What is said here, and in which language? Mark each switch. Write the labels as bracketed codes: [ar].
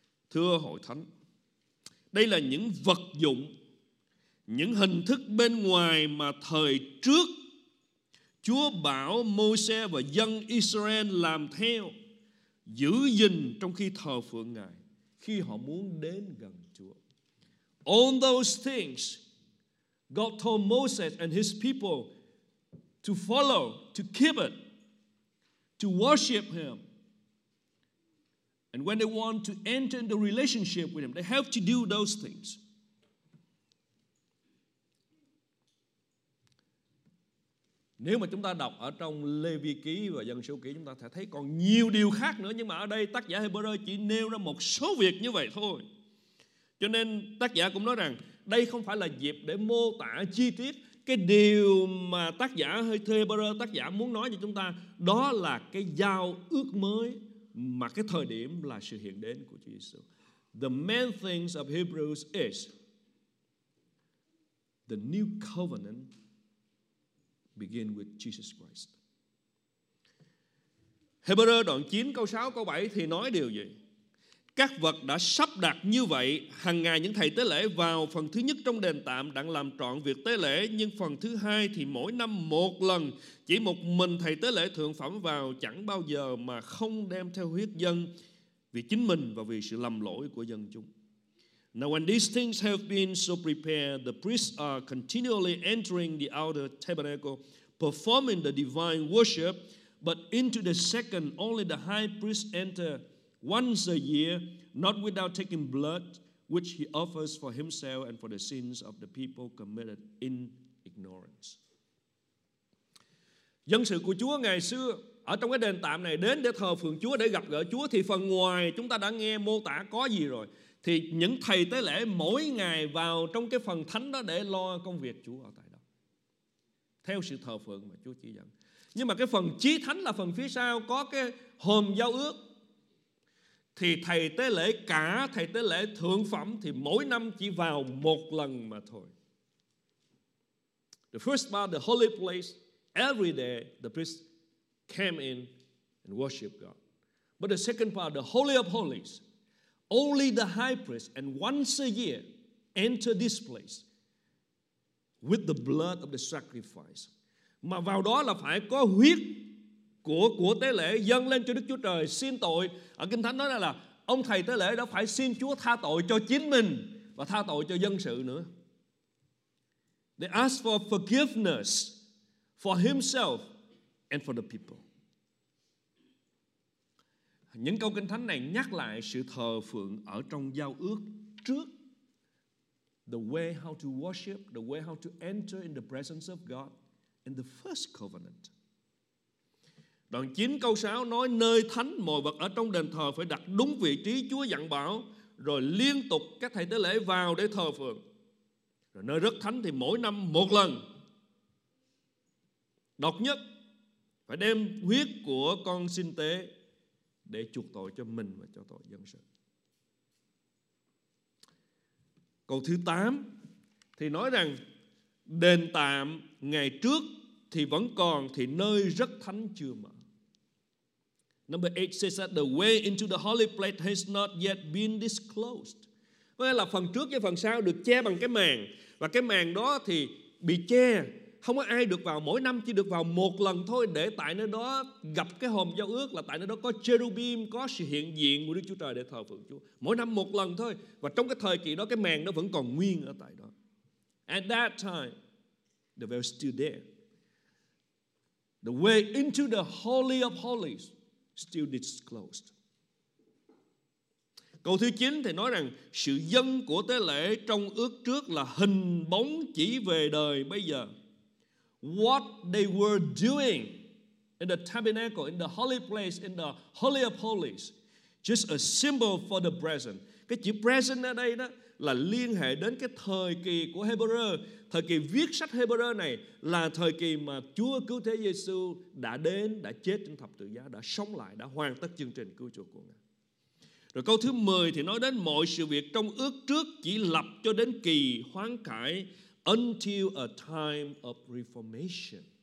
[vi] Thưa Hội Thánh, đây là những vật dụng, những hình thức bên ngoài mà thời trước Chúa bảo Môi-se và dân Israel làm theo, giữ gìn trong khi thờ phượng Ngài, khi họ muốn đến gần Chúa. [en] All those things God told Moses and his people to follow, to keep it, to worship him. And when they want to enter into relationship with him, they have to do those things. [vi] Nếu mà chúng ta đọc ở trong Lê Vi Ký và Dân Số Ký, chúng ta sẽ thấy còn nhiều điều khác nữa. Nhưng mà ở đây tác giả Hebrew chỉ nêu ra một số việc như vậy thôi. Cho nên tác giả cũng nói rằng đây không phải là dịp để mô tả chi tiết cái điều mà tác giả Hebrew tác giả muốn nói cho chúng ta. Đó là cái giao ước mới mà cái thời điểm là sự hiện đến của Chúa Giê-xu. [en] The main things of Hebrews is the new covenant begin with Jesus Christ. [vi] Hebrew đoạn 9 câu 6 câu 7 thì nói điều gì? Các vật đã sắp đặt như vậy, hằng ngày những thầy tế lễ vào phần thứ nhất trong đền tạm đặng làm trọn việc tế lễ, nhưng phần thứ hai thì mỗi năm một lần, chỉ một mình thầy tế lễ thượng phẩm vào, chẳng bao giờ mà không đem theo huyết dân vì chính mình và vì sự lầm lỗi của dân chúng. [en] Now when these things have been so prepared, the priests are continually entering the outer tabernacle, performing the divine worship, but into the second only the high priest enter once a year, not without taking blood, which he offers for himself and for the sins of the people committed in ignorance. [vi] Dân sự của Chúa ngày xưa ở trong cái đền tạm này đến để thờ phượng Chúa, để gặp gỡ Chúa, thì phần ngoài chúng ta đã nghe mô tả có gì rồi. Thì những thầy tế lễ mỗi ngày vào trong cái phần thánh đó để lo công việc Chúa ở tại đó, theo sự thờ phượng mà Chúa chỉ dẫn. Nhưng mà cái phần chí thánh là phần phía sau có cái hòm giao ước. Thì thầy tế lễ cả, thầy tế lễ thượng phẩm thì mỗi năm chỉ vào một lần mà thôi. [en] The first part, the holy place, every day the priest came in and worshiped God. But the second part, the holy of holies, only the high priest and once a year enter this place with the blood of the sacrifice. [vi] Mà vào đó là phải có huyết của tế lễ dâng lên cho Đức Chúa Trời xin tội. Ở Kinh Thánh nói là ông thầy tế lễ đã phải xin Chúa tha tội cho chính mình và tha tội cho dân sự nữa. [en] They ask for forgiveness for himself and for the people. [vi] Những câu Kinh Thánh này nhắc lại sự thờ phượng ở trong giao ước trước. [en] The way how to worship, the way how to enter in the presence of God in the first covenant. [vi] Đoạn 9 câu 6 nói nơi thánh mọi vật ở trong đền thờ phải đặt đúng vị trí Chúa dặn bảo, rồi liên tục các thầy tế lễ vào để thờ phượng. Rồi nơi rất thánh thì mỗi năm một lần. Độc nhất phải đem huyết của con sinh tế để chuộc tội cho mình và cho tội dân sự. Câu thứ 8 thì nói rằng đền tạm ngày trước thì vẫn còn, thì nơi rất thánh chưa mở. [en] Number 8 says that the way into the holy place has not yet been disclosed. [vi] Có nghĩa là phần trước với phần sau được che bằng cái màn, và cái màn đó thì bị che, không có ai được vào, mỗi năm chỉ được vào một lần thôi, để tại nơi đó gặp cái hòm giao ước, là tại nơi đó có cherubim, có sự hiện diện của Đức Chúa Trời để thờ phượng Chúa. Mỗi năm một lần thôi, và trong cái thời kỳ đó cái màn nó vẫn còn nguyên ở tại đó. [en] At that time, the veil still there. The way into the holy of holies still disclosed. [vi] Câu thứ 9 thì nói rằng sự dâng của tế lễ trong ước trước là hình bóng chỉ về đời bây giờ. [en] What they were doing in the tabernacle, in the holy place, in the holy of holies, just a symbol for the present. [vi] Cái chữ present ở đây đó là liên hệ đến cái thời kỳ của Hebrew. Thời kỳ viết sách Hebrew này là thời kỳ mà Chúa cứu thế Giê-xu đã đến, đã chết trên thập tự giá, đã sống lại, đã hoàn tất chương trình cứu chuộc của Ngài. Rồi câu thứ 10 thì nói đến mọi sự việc trong ước trước chỉ lập cho đến kỳ hoán cải, [en] until a time of reformation.